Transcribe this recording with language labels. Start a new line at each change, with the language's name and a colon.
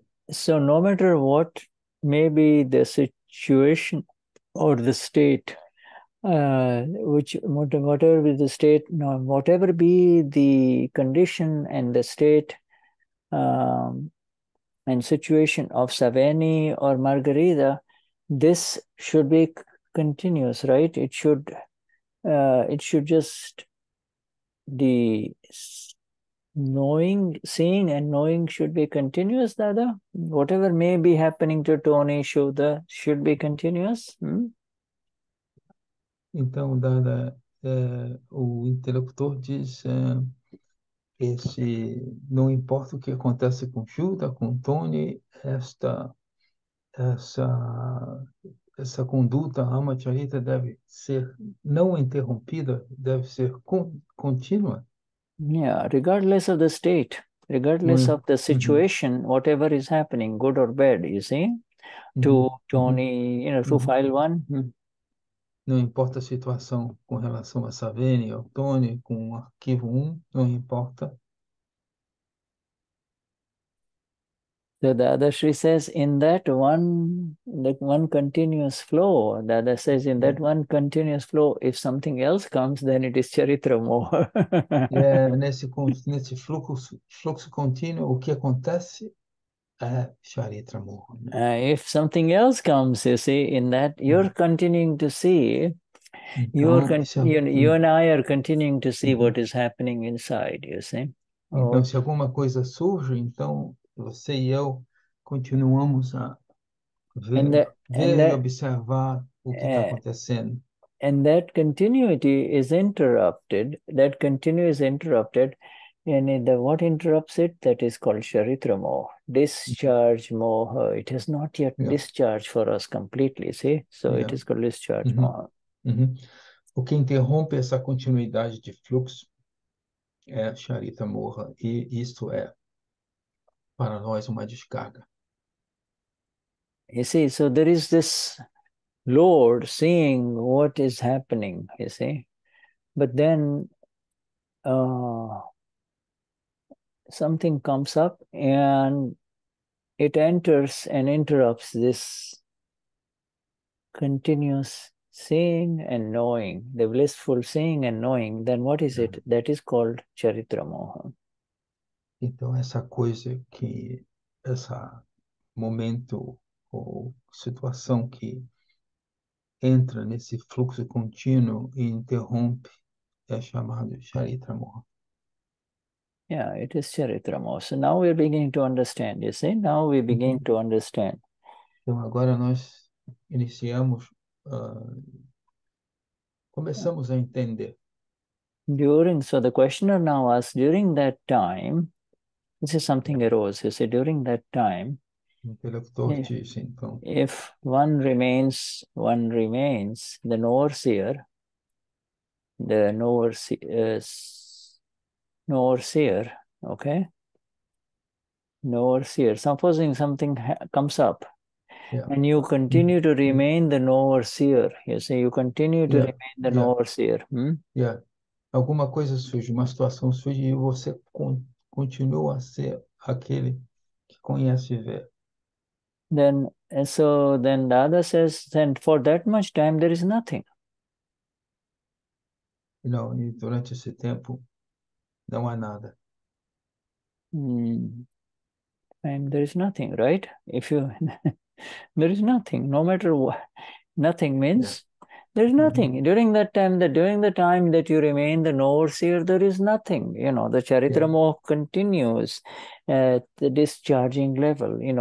English: so no matter what may be the situation or the state, whatever be the condition and the state and situation of Saveni or Margarita, this should be continuous, right? It should just, the knowing, seeing and knowing should be continuous, Dada. Whatever may be happening to Tony, Shuddha, should be continuous.
Portuguese: Então, Dada, o interlocutor diz, esse, não importa o que acontece com Shuddha, com Tony, esta, essa, essa conduta, a Ama Charita, deve ser não interrompida, deve ser contínua.
English: Yeah, regardless of the state, regardless of the situation, whatever is happening, good or bad, you see, to Tony, to file one.
Portuguese: Não importa a situação com relação a Savene ou Tony, com o arquivo 1, não importa.
English: So Dadashri says, in that one continuous flow, Dada says, in that one continuous flow, if something else comes, then it is Charitra more.
Portuguese: É, nesse fluxo contínuo, o que acontece é Charitra morro, né?
English: If something else comes, you see, in that you're continuing to see,
Portuguese: Então, se
English: you and I are continuing to see what is happening inside, you see.
Portuguese: então, se alguma coisa surge, então você e eu continuamos a ver e observar o que está acontecendo.
English: And that continuity is interrupted, that continuity is interrupted, and what interrupts it? That is called Charitra Moha, discharge Moha. It has not yet discharged for us completely, see? So it is called discharge Moha.
Portuguese: O que interrompe essa continuidade de fluxo é Charita Moha, e isso é para nós uma descarga.
English: You see, so there is this Lord seeing what is happening, you see. But then something comes up and it enters and interrupts this continuous seeing and knowing, the blissful seeing and knowing. Then what is it? That is called Charitra Moha.
Portuguese: Então, essa coisa que, esse momento ou situação que entra nesse fluxo contínuo e interrompe é chamado Charitra Moha.
English: Yeah, it is Charitra Moha. So now we're beginning to understand. You see, now we begin to understand.
Portuguese: Então, agora nós iniciamos, começamos a entender.
English: During, so the questioner now asks, during that time, this is something arose. You see, during that time,
Portuguese: Interlocutor diz, então.
English: if one remains, the knower seer, the knower seer. Knower seer, okay? Knower seer. Supposing something comes up and you continue to remain the knower seer, you see, you continue to remain the knower seer.
Portuguese: Alguma coisa surge, uma situação surge e você continua a ser aquele que conhece e vê.
English: Then Dada says, then for that much time there is nothing.
Portuguese: Não, e durante esse tempo não há nada.
English: And there is nothing, right? If you there is nothing, no matter what, nothing means there is nothing. During the time that you remain the knower seer, there is nothing. The Charitra Moha continues at the discharging level.